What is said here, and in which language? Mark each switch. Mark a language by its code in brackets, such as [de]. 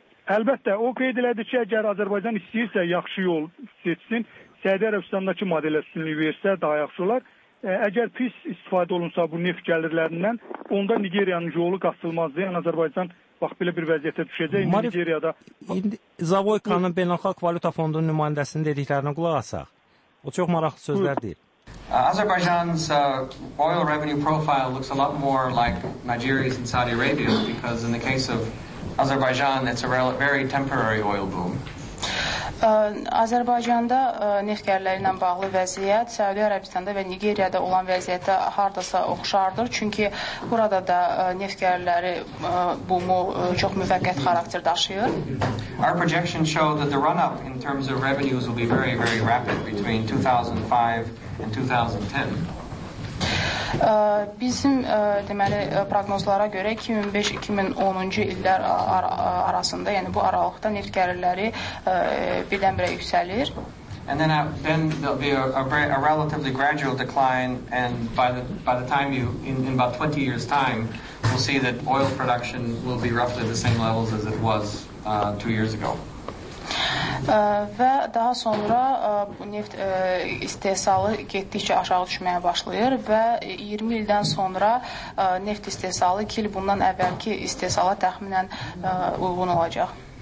[az] Əlbəttə, o qeyd elədi ki, əgər Azərbaycan istəyirsə, yaxşı yol seçsin, Səudiyyə Ərəbistanındakı modelə üstünlük versə, daha yaxşı olar. Əgər pis istifadə olunsa bu neft gəlirlərindən, onda Nigeriyanın yolu qaçılmazdı. Yəni, Azərbaycan, bax, belə bir vəziyyətə düşəcək, Marif, Nigeriyada... İndi Zavoykanın Beynəlxalq Valyuta Fondunun nümayəndəsinin dediklərinə qulaq asaq. O çox maraqlı sözlər deyil. [en] Azerbaijan's oil revenue profile looks a lot more like Nigeria's and Saudi Arabia's because in the case of Azerbaijan, it's a very temporary oil boom. [az] Azərbaycanda neft gəlirləri ilə bağlı vəziyyət Səudiyyə Ərəbistanda və Nigeriyada olan vəziyyətə hardasa oxşardır. Çünki burada da neft gəlirləri boomu çox müvəqqət xarakter daşıyır. [en] Our projection showed that the run-up in terms of revenues will be very, very rapid between 2005 and 2010. [az] Bizim deməli proqnozlara görə 2005-2010-cu illər arasında, yəni bu aralıqda neft gəlirləri birdən-birə yüksəlir. [en] And then there'll be a relatively gradual decline, and by the time you in about 20 years time, we'll see that oil production will be roughly the same levels as it was 2 years ago. [az] Və daha sonra bu neft istehsalı getdikcə aşağı düşməyə başlayır və 20 ildən sonra neft istehsalı 2 il bundan əvvəlki istehsala təxminən uyğun olacaq.